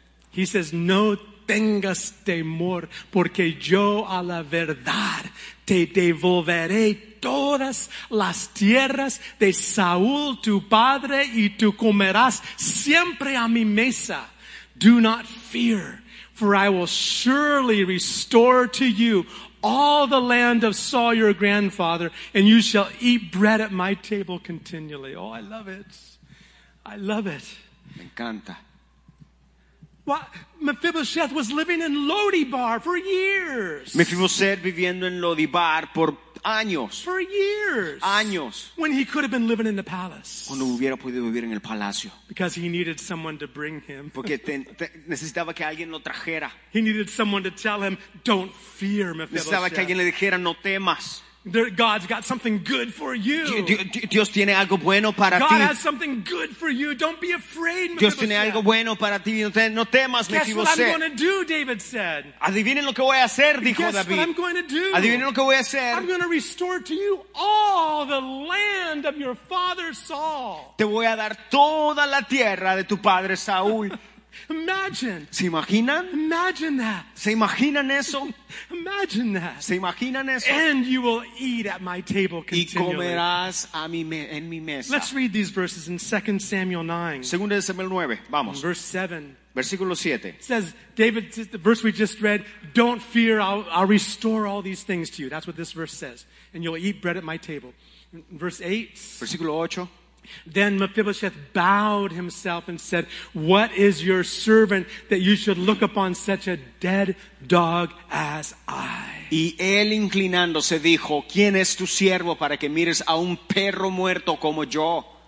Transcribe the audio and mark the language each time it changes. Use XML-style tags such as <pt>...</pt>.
<en>He says,</en> <es>no tengas temor, porque yo a la verdad te devolveré todas las tierras de Saúl, tu padre, y tú comerás siempre a mi mesa.</es> <en>Do not fear, for I will surely restore to you all the land of Saul your grandfather, and you shall eat bread at my table continually. Oh, I love it. I love it.</en> <es>Me encanta.</es> <en>What? Mephibosheth was living in Lodibar for years.</en> <es>Mephibosheth viviendo en Lodibar por años.</es> <en>For years.</en> <es>Años.</es> <en>When he could have been living in the palace.</en> <es>Cuando hubiera podido vivir en el palacio.</es> <en>Because he needed someone to bring him.</en> <es>Porque necesitaba que alguien lo trajera.</es> <en>He needed someone to tell him, don't fear, Mephibosheth.</en> <es>Necesitaba que alguien le dijera, no temas.</es> <en>God's got something good for you.</en> <es>Dios tiene algo bueno para</es> <en>God</en> <es>ti.</es> <en>God has something good for you. Don't be afraid,</en> <es>Dios tiene algo bueno para ti. No temas, Mephibosheth.</es> <en>Guess what I'm going to do, David said.</en> <es>Adivinen lo que voy a hacer, dijo</es> <en>Guess</en> <es>David.</es> <en>What I'm going to do.</en> <es>Adivinen lo que voy a hacer.</es> <en>I'm going to restore to you all the land of your father Saul.</en> <es>Te voy a dar toda la tierra de tu padre Saúl.</es> <en>Imagine.</en> <es>¿Se imaginan?</es> <en>Imagine that.</en> <es>¿Se imaginan eso?</es> <en>Imagine that.</en> <es>¿Se imaginan eso?</es> <en>And you will eat at my table continually.</en> <es>Y comerás a mi en mi mesa.</es> <en>Let's read these verses in 2 Samuel 9.</en> <es>Segunda de Samuel 9. Vamos.</es> <en>Verse 7.</en> <es>Versículo 7.</es> <en>It says, David, the verse we just read, don't fear, I'll restore all these things to you. That's what this verse says. And you'll eat bread at my table. Verse 8.</en> <es>Versículo 8.</es> <en>Then Mephibosheth bowed himself and said, what is your servant that you should look upon such a dead dog as I?</en> <es>Y él inclinándose dijo, ¿quién es tu siervo para que mires a un perro muerto como yo?</es>